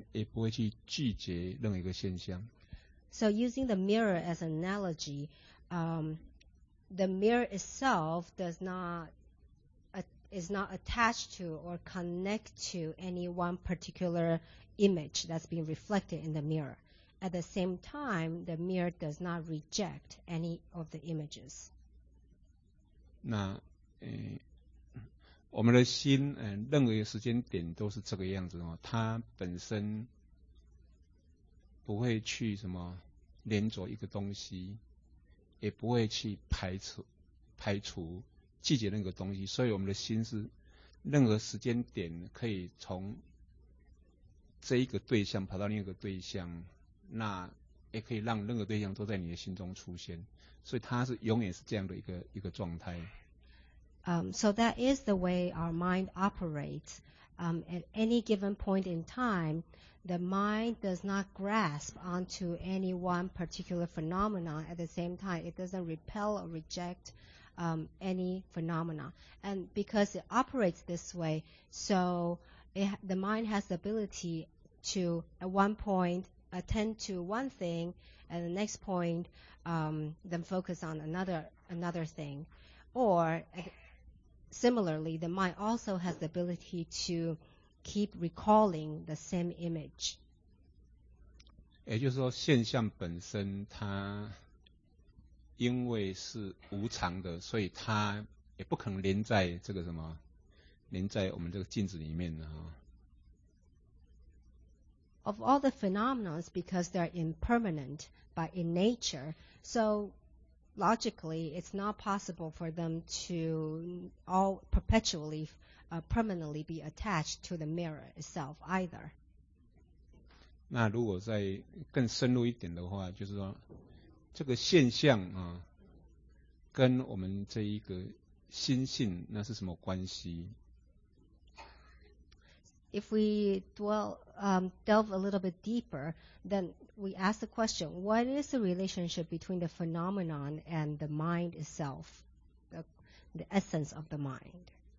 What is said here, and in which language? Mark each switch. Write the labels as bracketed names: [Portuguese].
[Chinese] 就有点像是什么，像镜子它不会去连住任何一个现象，可是镜子本身也不会去拒绝任何一个现象。 [English] So using the mirror as an analogy, the mirror itself does not is not attached to or connect to any one particular image that's being reflected in the mirror. At the same time, the mirror does not reject any of the images. [Chinese] 那我们的心，任何时间点都是这个样子哦，它本身不会去什么连着一个东西，也不会去排除。拒绝那个东西，所以我们的心是任何时间点可以从这一个对象跑到另一个对象，那也可以让任何对象都在你的心中出现，所以它是永远是这样的一个状态。 [English] So that is the way our mind operates. at any given point in time, the mind does not grasp onto any one particular phenomenon. At the same time, it doesn't repel or reject any phenomena. And because it operates this way, so the mind has the ability to, at one point, attend to one thing, and the next point, then focus on another thing. Or similarly, the mind also has the ability to keep recalling the same image. [Chinese] 也就是说，现象本身它因为是无常的，所以它也不可能连在这个什么，连在我们这个镜子里面的啊。 [English] Of all the phenomena, because they're impermanent by in nature, so logically it's not possible for them to all perpetually, permanently be attached to the mirror itself either. [Chinese] 那如果再更深入一点的话，就是说这个现象啊，跟我们这一个心性那是什么关系？ [English] If we delve a little bit deeper, then we ask the question, what is the relationship between the phenomenon and the mind itself, the essence of the mind?